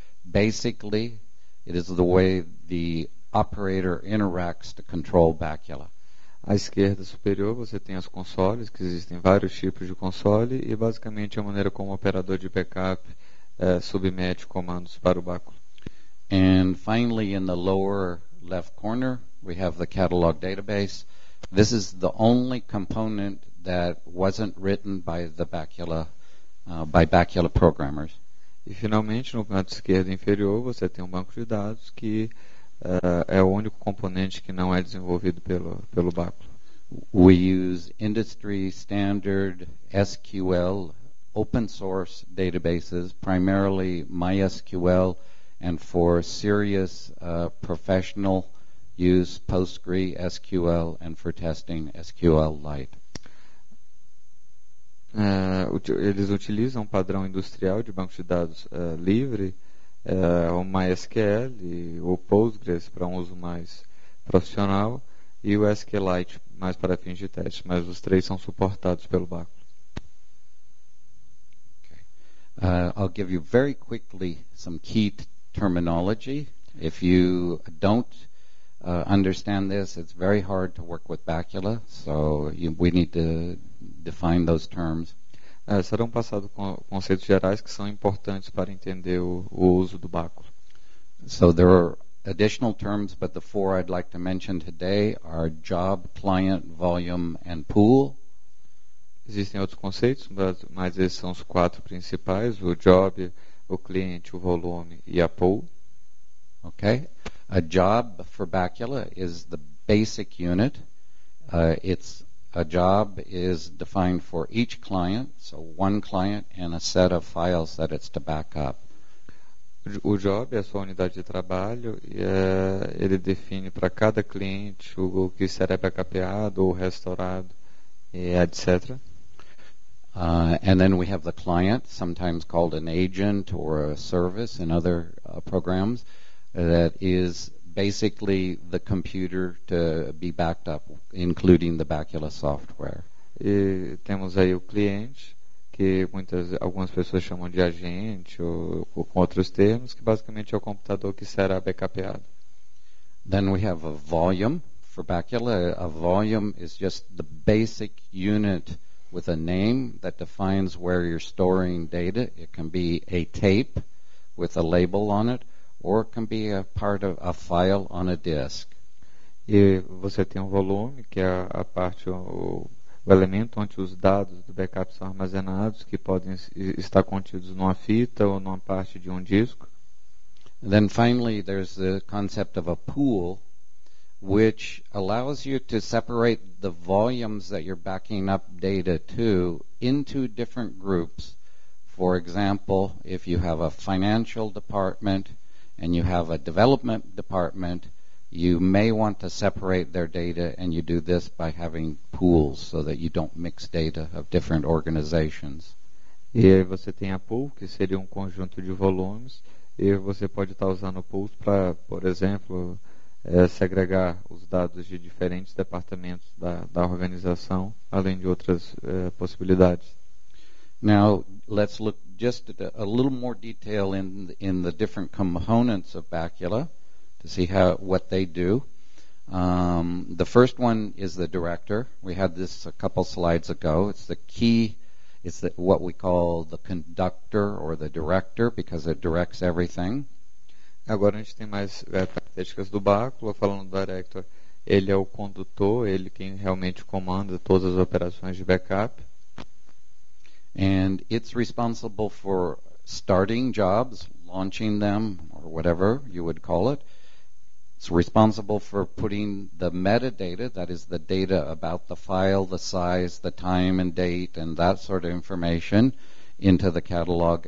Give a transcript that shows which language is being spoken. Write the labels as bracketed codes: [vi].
[en] Basically, it is the way the operator interacts to control Bacula. [pt] À esquerda superior, você tem as consoles, que existem vários tipos de console, e basicamente é a maneira como o operador de backup submete comandos para o Bacula. [en] And finally, in the lower left corner, we have the catalog database. This is the only component that wasn't written by the Bacula, by Bacula programmers. [pt] E finalmente, no canto esquerdo inferior, você tem um banco de dados que é o único componente que não é desenvolvido pelo Bacula. [en] We use industry standard SQL open source databases, primarily MySQL, and for serious professional use PostgreSQL SQL, and for testing SQL Lite. [pt] Eles utilizam um padrão industrial de banco de dados livre, o MySQL, ou Postgres para um uso mais profissional, e o SQLite mais para fins de teste, mas os três são suportados pelo banco. [en] Okay. I'll give you very quickly some key terminology. If you don't understand this, it's very hard to work with Bacula, so we need to define those terms. [pt] Serão passados conceitos gerais que são importantes para entender o uso do Bacula. [en] So there are additional terms, but the four I'd like to mention today are job, client, volume, and pool. [pt] Existem outros conceitos, mas esses são os quatro principais: o job, o cliente, o volume e a pool. [en] Okay. A job for Bacula is the basic unit. It's a job is defined for each client, so one client and a set of files that it's to back up. [pt] O job é a sua unidade de trabalho e ele define para cada cliente o que será backupado ou restaurado, etc. [en] And then we have the client, sometimes called an agent or a service in other programs, that is basically the computer to be backed up, including the Bacula software. [pt] E temos aí o cliente, que algumas pessoas chamam de agente ou com outros termos, que basicamente é o computador que será backupado. [en] Then we have a volume for Bacula. A volume is just the basic unit with a name that defines where you're storing data. It can be a tape with a label on it, or can be a part of a file on a disk. [pt] E você tem um volume, que é a parte, o elemento onde os dados do backup são armazenados, que podem estar contidos numa fita ou numa parte de um disco. [en] And then finally, there's the concept of a pool, which allows you to separate the volumes that you're backing up data to into different groups. For example, if you have a financial department and you have a development department, you may want to separate their data, and you do this by having pools so that you don't mix data of different organizations. [pt] E aí você tem a pool, que seria um conjunto de volumes, e você pode estar usando pools para, por exemplo, segregar os dados de diferentes departamentos da organização, além de outras possibilidades. [en] Now, let's look just at a little more detail in the different components of Bacula to see what they do. The first one is the director. We had this a couple slides ago. It's the key, it's what we call the conductor or the director, because it directs everything. [pt] Agora a gente tem mais características do Bacula. Falando do director, ele é o condutor, ele quem realmente comanda todas as operações de backup. [en] And it's responsible for starting jobs, launching them, or whatever you would call it. It's responsible for putting the metadata, that is the data about the file, the size, the time and date, and that sort of information, into the catalog.